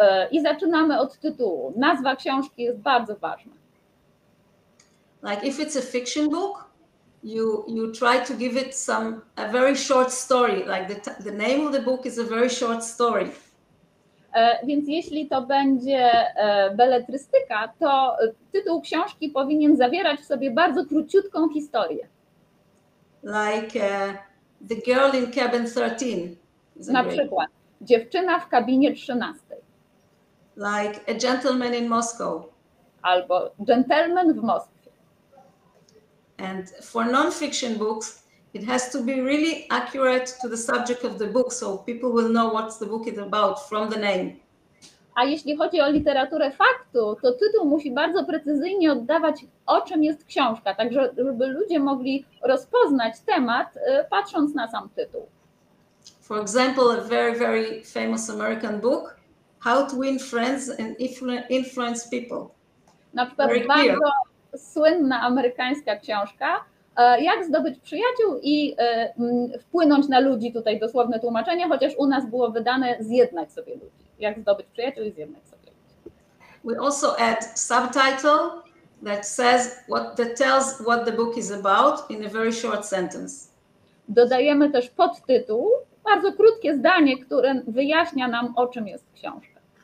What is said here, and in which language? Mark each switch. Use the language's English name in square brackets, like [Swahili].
[Polish] I zaczynamy od tytułu. Nazwa książki jest bardzo ważna. [English] Like if it's a fiction book, you try to give it some a very short story, like the name of the book is a very short story. [Polish] Więc jeśli to będzie beletrystyka, to tytuł książki powinien zawierać w sobie bardzo króciutką historię. [English] Like the girl in cabin 13. [Polish] Na przykład dziewczyna w kabinie 13. [English] Like a gentleman in Moscow. [Polish] Albo gentleman w Moskwie. [English] And for non-fiction books, it has to be really accurate to the subject of the book, so people will know what the book is about from the name. [Polish] A jeśli chodzi o literaturę faktu, to tytuł musi bardzo precyzyjnie oddawać, o czym jest książka, tak żeby ludzie mogli rozpoznać temat, patrząc na sam tytuł. [English] For example, a very, very famous American book, How to Win Friends and Influence People. [Polish] Na przykład bardzo słynna amerykańska książka, Jak zdobyć przyjaciół i wpłynąć na ludzi, tutaj dosłowne tłumaczenie, chociaż u nas było wydane zjednać sobie ludzi. Jak zdobyć przyjaciół i zjednać sobie ludzi. [English] We also add subtitle that says what that tells what the book is about in a very short sentence. [Polish] Dodajemy też podtytuł, bardzo krótkie zdanie, które wyjaśnia nam, o czym jest książka.